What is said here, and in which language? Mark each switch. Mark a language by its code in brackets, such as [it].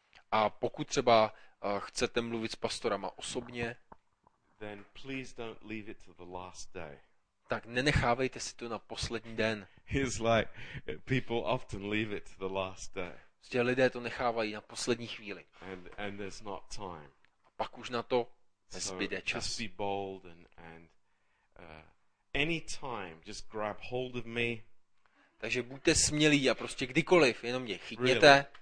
[cs] A pokud třeba chcete mluvit s pastorama osobně, [en] then please don't leave it to the last day. [cs] Tak nenechávejte si to na poslední den. [en] It's like people often leave it to the last day. [cs] Že lidé to nechávají na poslední chvíli. [en] And there's not time. [cs] A pak už na to nezbyde čas. [en] So just be bold and any time, just grab hold of me. [cs] Takže buďte smělí a prostě kdykoliv, jenom mě chytněte, [en] really,